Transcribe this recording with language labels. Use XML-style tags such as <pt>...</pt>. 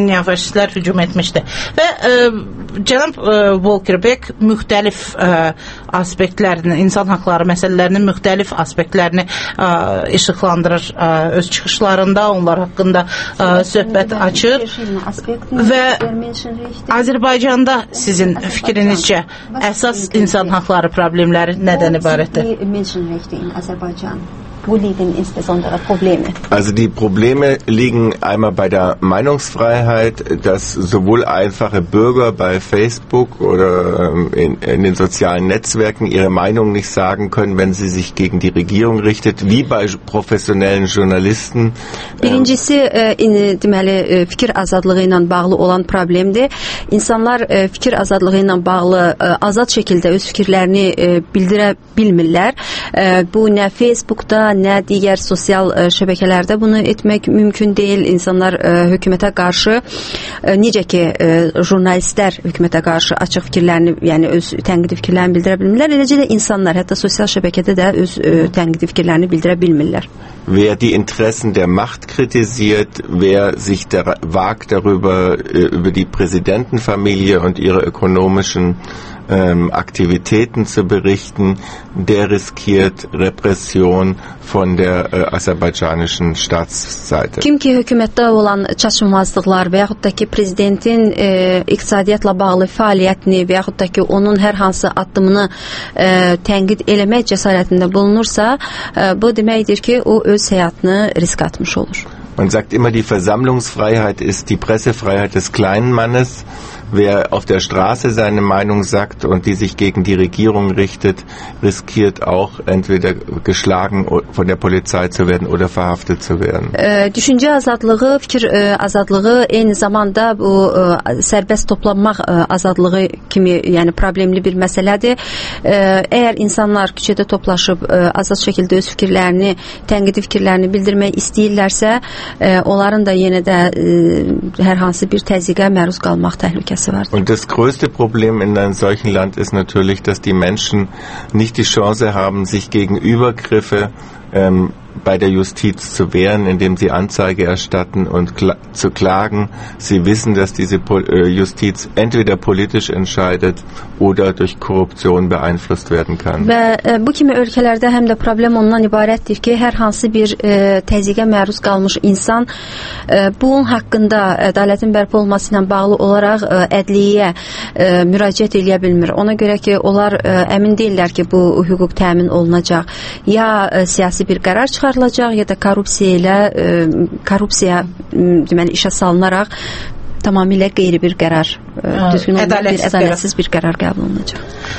<az>Neofaşistlər hücum etmişdi. Və cənab Walker Beck müxtəlif aspektlərini, insan haqları məsələlərinin müxtəlif aspektlərini işıqlandırır öz çıxışlarında, onlar haqqında söhbət açır. Və Azərbaycanda sizin fikrinizcə əsas insan haqları problemləri nədən ibarətdir?</az> <de>Wo liegen insbesondere Probleme? Also die Probleme liegen einmal bei der Meinungsfreiheit, dass sowohl einfache Bürger bei Facebook oder in den sozialen Netzwerken ihre Meinung nicht sagen können, wenn sie sich gegen die Regierung richtet, wie bei professionellen Journalisten.</de> <az>Birincisi, deməli, fikir azadlığı ilə bağlı olan problemdir. İnsanlar fikir azadlığı ilə bağlı azad şəkildə öz fikirlərini bildirə bilmirlər. Bu nə Facebook-da nə digər sosial şəbəkələrdə bunu etmək mümkün deyil. İnsanlar hökumətə qarşı necə ki jurnalistlər hökumətə qarşı açıq fikirlərini, yəni öz tənqidi fikirlərini bildirə bilmirlər. Eləcə də insanlar hətta sosial şəbəkədə də öz tənqidi fikirlərini bildirə bilmirlər.</az> <de>Wer die Interessen der Macht kritisiert, wer sich wagt darüber, über die Präsidentenfamilie und ihre ökonomischen Aktivitäten zu berichten, der riskiert Repression von der aserbaidschanischen Staatsseite.</de> <az>Kim ki hökumətdə olan çatışmazlıqlar və yaxud da ki prezidentin iqtisadiyyatla bağlı fəaliyyətini və yaxud da ki onun hər hansı addımını tənqid eləmək cəsarətində bulunursa, bu deməkdir ki o öz həyatını risk atmış olur.</az> <de>Man sagt immer, die Versammlungsfreiheit ist die Pressefreiheit des kleinen Mannes. Wer auf der Straße seine Meinung sagt und die sich gegen die Regierung richtet, riskiert auch entweder geschlagen von der Polizei zu werden oder verhaftet zu werden.</de> <az>Düşüncə azadlığı, fikir azadlığı eyni zamanda bu sərbəst toplanmaq azadlığı kimi, yəni problemli bir məsələdir. Əgər insanlar küçədə toplaşıb azad şəkildə öz fikirlərini, tənqidi fikirlərini bildirmək istəyirlərsə, onların da yenə də hər hansı bir təzyiqə məruz qalmaq təhlükəsidir.</az> <de>Und das größte Problem in einem solchen Land ist natürlich, dass die Menschen nicht die Chance haben, sich gegen Übergriffe bei der Justiz zu wehren, indem sie Anzeige erstatten und zu klagen. Sie wissen, dass diese Justiz entweder politisch entscheidet oder durch Korruption beeinflusst werden kann.</de> <az>Və bu kimi ölkələrdə həm də problem ondan ibarətdir ki, hər hansı bir təzyiqə məruz qalmış insan bunun haqqında ədalətin bərpa olması ilə bağlı olaraq ədliyyəyə müraciət edə bilmir. Ona görə ki, onlar əmin deyillər ki, bu hüquq təmin olunacaq ya siyasi bir qərar çıxarılacaq ya da korrupsiya ilə korrupsiya deməli işə salınaraq tamamilə qeyri bir qərar düzgün olmayan ədalətsiz bir qərar qəbul olunacaq.</az>